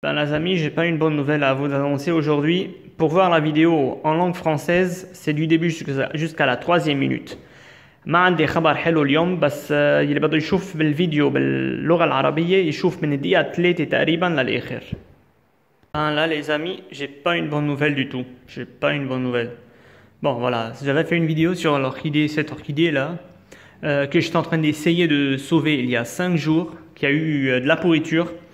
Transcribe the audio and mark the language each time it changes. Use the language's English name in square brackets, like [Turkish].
[French] Ben, les amis, j'ai pas une bonne nouvelle à vous annoncer aujourd'hui. Pour voir la vidéo en langue française, c'est du début jusqu'à la troisième minute. [Arabic] Ma عندي خبر حلو اليوم بس يلي بده يشوف بالفيديو باللغة العربية يشوف من الدقيقة 3 تقريبا للآخر. [French] Ben, là, les amis, j'ai pas une bonne nouvelle du tout. J'ai pas une bonne nouvelle. Bon, voilà, j'avais fait une vidéo sur l'orchidée, cette orchidée là, que j'étais en train d'essayer de sauver il y a 5 jours, qui a eu de la pourriture.